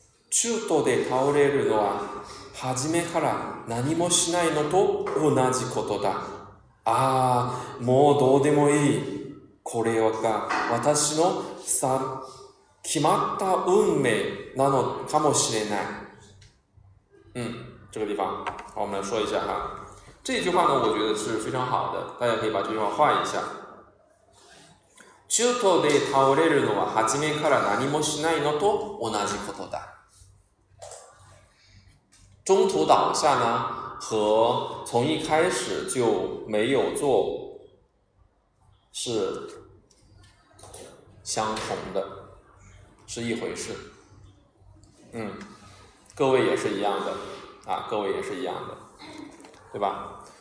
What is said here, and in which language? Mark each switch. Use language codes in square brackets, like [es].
[ja] 中途で倒れるのは初めから何もしないのと同じことだ。ああ、もうどうでもいい。これが私のさ決まった運命なのかもしれない。 [zh] 这个地方，好，我们来说一下哈。这句话呢，我觉得是非常好的，大家可以把这句话画一下。 [ja] 中途で倒れるのは初めから何もしないのと同じことだ。 [zh] 中途倒下呢，和从一开始就没有做是相同的，是一回事。各位也是一样的啊，各位也是一样的，对吧？